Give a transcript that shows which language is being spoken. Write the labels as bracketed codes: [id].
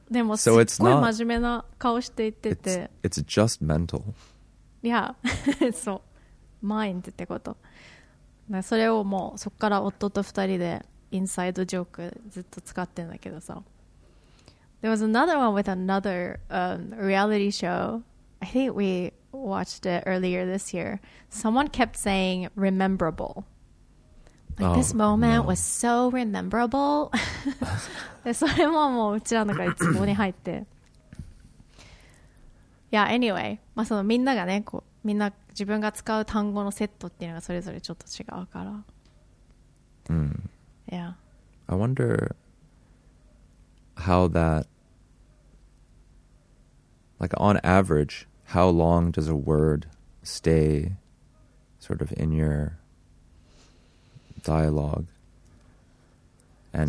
[ja] でもすっごい真面目な顔していってて。 [en] It's just mental. Yeah, so. Mind [ja] ってこと。それをもうそこから夫と二人でインサイドジョークずっと使ってんだけどさ。 [en] There was another one with another、reality show. I think we watched it earlier this year. Someone kept saying rememberable. Like, this moment、 no. was so rememberable. [ja] でそれももううちらの中でツボに入って。 [en] Yeah, anyway. [ja] まあそのみんながね、こうみんな自分が使う単語のセットっていうのがそれぞれちょっと違うから。 [en] Mm. Yeah. I wonder how that, like on average, how long does a word stay sort of in yourdialogue and